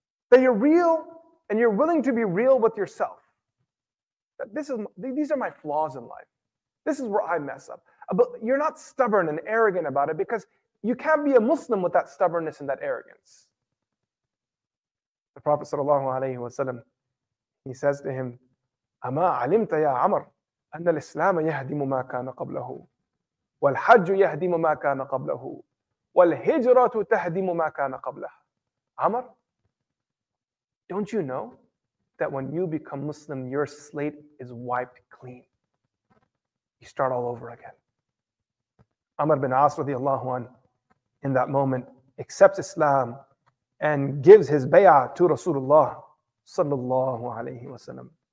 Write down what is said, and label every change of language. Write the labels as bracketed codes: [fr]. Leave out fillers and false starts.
[en] That you're real and you're willing to be real with yourself. That these are my flaws in life. This is where I mess up. But you're not stubborn and arrogant about it, because you can't be a Muslim with that stubbornness and that arrogance. The Prophet sallallahu alayhi wa sallam, he says to him, [ar] "أما علمت يا عمر أن الإسلام يهدم ما كان قبله والحج يهدم ما كان قبله والهجرة تهدم ما كان قبله." [en] Amr, don't you know that when you become Muslim, your slate is wiped clean? You start all over again. Amr bin As radiallahu anhu, in that moment, accepts Islam and gives his bay'ah to Rasulullah sallallahu alayhi wa sallam.